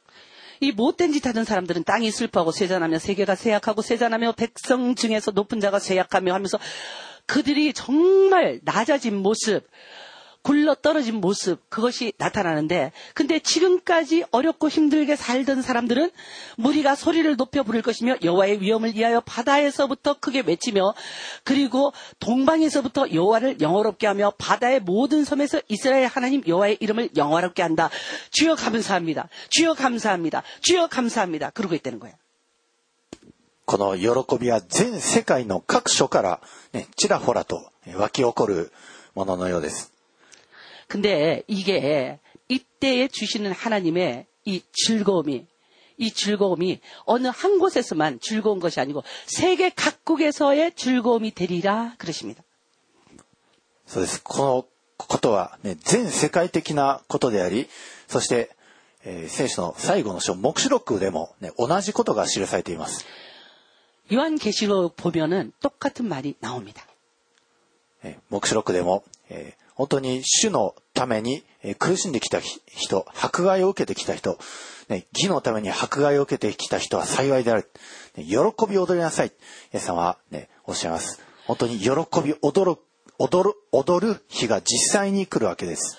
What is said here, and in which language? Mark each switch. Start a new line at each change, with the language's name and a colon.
Korean: 이못된짓하는사람들은땅이슬퍼하고쇠잔하며세계가쇠약하고쇠잔하며백성중에서높은자가쇠약하며하면서그들이정말낮아진모습굴러떨어진모습그것이나타나는데근데지금까지어렵고힘들게살던사람들은무리가소리를높여부를것이며여호와의위엄을위하여바다에서부터크게외치며그리고동방에서부터여호와를영화롭게하며바다의모든섬에서이스라엘하나님여호와의이름을영화롭게한다주여감사합니다주여감사합니다주여감사합니다그러고있다는거예요
Japanese: この喜びは全世界の各所からちらほらと湧き起こるもののようです。
Korean: 근데이게이때에주시는하나님의이즐거움이 이 즐거움이 어느 한 곳에서만 즐거운 것이 아니고 세계 각국에서의 즐거움이 되리라 그러십니다.
Japanese: そうです。このことはね、全世界的なことであり、そして 聖書の最後の章、黙示録でも、ね、同じことが記されています。
Korean: 요한계시록 보면은 똑같은 말이 나옵니다.
Japanese: 黙示録でも 本当に主のために苦しんできた人、迫害を受けてきた人、ね、義のために迫害を受けてきた人は幸いである。ね、喜び踊りなさい。イエス様は、ね、おっしゃいます。本当に喜び踊る日が実際に来るわけです。